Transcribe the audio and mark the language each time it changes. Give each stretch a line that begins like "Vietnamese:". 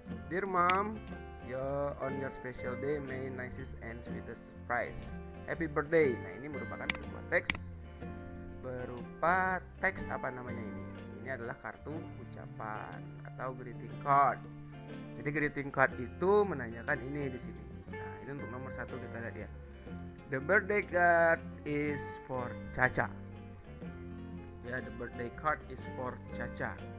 English: Dear mom, you're on your special day, may nicest and sweetest surprise. Happy birthday.
Indonesian: Nah, ini merupakan sebuah teks berupa teks apa namanya ini? Ini adalah kartu ucapan atau greeting card. Jadi greeting card itu menanyakan ini di sini. Nah, ini untuk nomor 1 kita lihat ya.
English: The birthday card is for Caca.
Indonesian: Ya,
English: the birthday card is for Caca.